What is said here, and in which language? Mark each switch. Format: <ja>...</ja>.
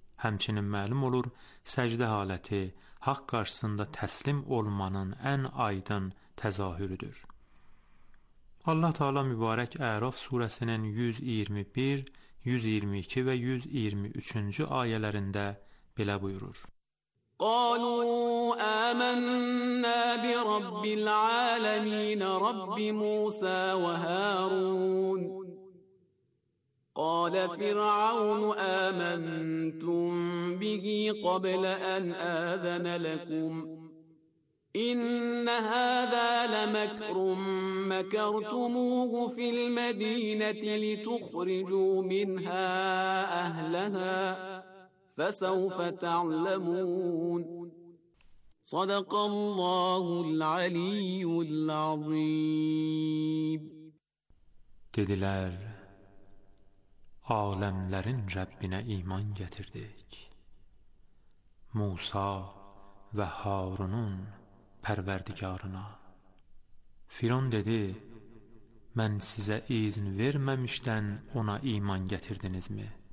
<az>Həmçinin məlum olur, səcdə haləti haqq qarşısında təslim olmanın ən aydın təzahürüdür. Allah Teala mübarək Ərəf surəsinin 121, 122 və 123-cü ayələrində belə buyurur.</az> <ar>قالوا آمنا برب العالمين رب موسى وهارون قال فرعون آمنتم به قبل أن آذن لكم إن هذا لمكر مكرتموه في المدينة لتخرجوا منها أهلها فَسَوْفَ تَعْلَمُونَ صَدَقَ اللّٰهُ الْعَلِيُّ الْعَظِيمُ</ar> <az>Dedilər, aləmlərin Rəbbinə iman gətirdik. Musa və Harunun pərvərdigarına. Firon dedi, mən sizə izin verməmişdən ona iman gətirdinizmi?</az>